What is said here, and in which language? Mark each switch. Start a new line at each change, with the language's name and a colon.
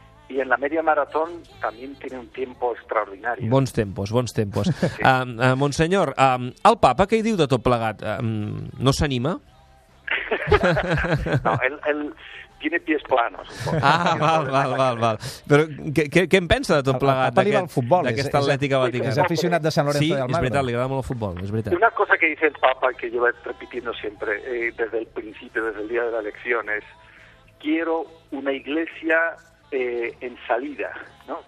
Spanish: Y en la media maratón también tiene un tiempo extraordinario.
Catalan: Bons tempos. Sí. Monsenyor, el papa, què hi diu de tot plegat? No s'anima?
Spanish: No, él tiene pies planos.
Catalan: Ah, val. Però què en pensa de tot plegat, d'aquesta Atlètica Vaticana? És aficionat de Sant Lorenzo del Magro. Sí, és veritat, li agrada molt el futbol.
Spanish: Una cosa que dice el Papa, que yo voy repitiendo siempre, desde el principio, desde el día de la elección, es: quiero una iglesia en salida, ¿no?